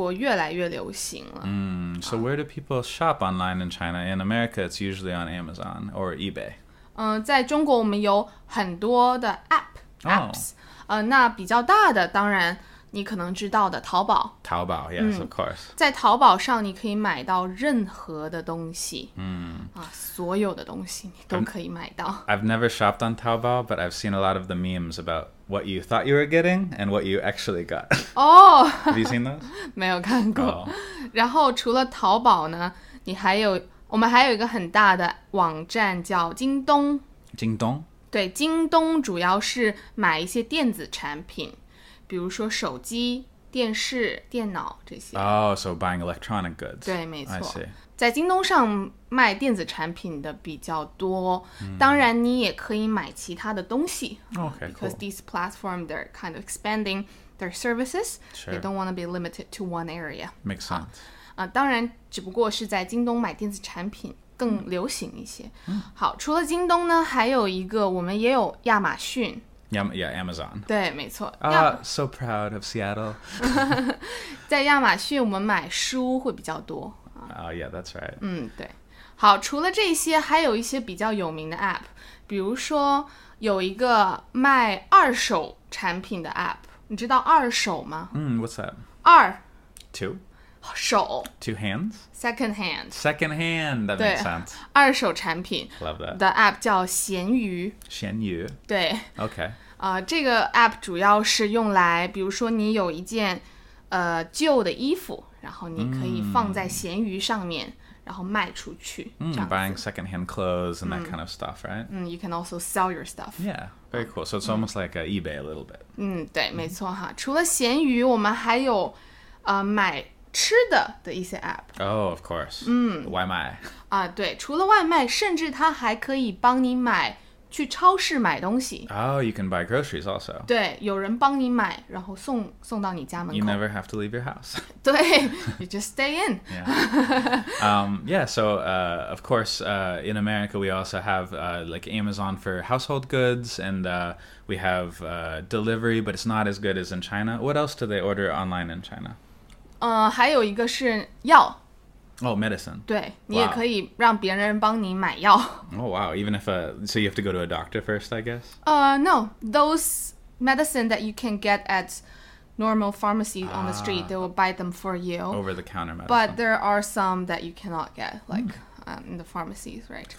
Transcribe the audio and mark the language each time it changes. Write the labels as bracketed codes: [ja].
[zh] 对,没错,网购现在在中国越来越流行了。 [en] So, where do people shop online in China? In America, it's usually on Amazon or eBay. [zh] 在中国我们有很多的app, apps. 那比较大的,当然,你可能知道的,淘宝。 [en] 淘宝, yes, of course. [zh] 在淘宝上你可以买到任何的东西。所有的东西你都可以买到。 [en] I've never shopped on Taobao, but I've seen a lot of the memes about what you thought you were getting and what you actually got. Oh! Have you seen those? [zh] 没有看过。Oh. 然后除了淘宝呢, 你还有, 我们还有一个很大的网站叫京东。京东? 对, 京东主要是买一些电子产品, 比如说手机, 电视, 电脑, 这些。 [en] Oh, so buying electronic goods. [zh] 对,没错。 [en] I see. [zh] 在京东上卖电子产品的比较多, 当然你也可以买其他的东西, [en] okay, because cool. These platforms, they're kind of expanding their services. Sure. They don't want to be limited to one area. Makes sense. [zh] 当然只不过是在京东买电子产品更流行一些。好, 除了京东呢, 还有一个我们也有亚马逊。 [en] Yeah, Amazon. [zh] 对,没错。 [en] So proud of Seattle. [zh] 在亚马逊我们买书会比较多。 [en] Yeah, that's right. [zh] 对。好,除了这些,还有一些比较有名的app, 比如说有一个卖二手产品的app, 你知道二手吗? [en] What's that? [zh] 二。 [en] Two? [zh] 手。 [en] Two hands? Second hand. Second hand, that makes sense. [zh] 二手产品。 [en] Love that. [zh] 的app叫闲鱼。闲鱼? 对。 [en] Okay. [zh] 这个app主要是用来, 比如说你有一件, 旧的衣服, 然后你可以放在闲鱼上面, 然后卖出去, [en] buying secondhand clothes and that kind of stuff, right? You can also sell your stuff. Yeah, very cool. So it's almost like a eBay a little bit. [zh] 对,没错哈。除了闲鱼,我们还有 买吃的的一些app. [en] Oh, of course. 外卖。 [zh] 对,除了外卖,甚至它还可以帮你买 去超市买东西。 [en] Oh, you can buy groceries also. [zh] 对,有人帮你买, 然后送到你家门口。 [en] You never have to leave your house. 对, you just stay in. Yeah, so, of course, in America, we also have like Amazon for household goods, and we have delivery, but it's not as good as in China. What else do they order online in China? 还有一个是药。 Oh, medicine. 对,你也可以让别人帮你买药。 Wow. Oh, wow. Even if, so you have to go to a doctor first, I guess? No. Those medicine that you can get at normal pharmacy on the street. They will buy them for you. Over-the-counter medicine. But there are some that you cannot get, like, in the pharmacies, right?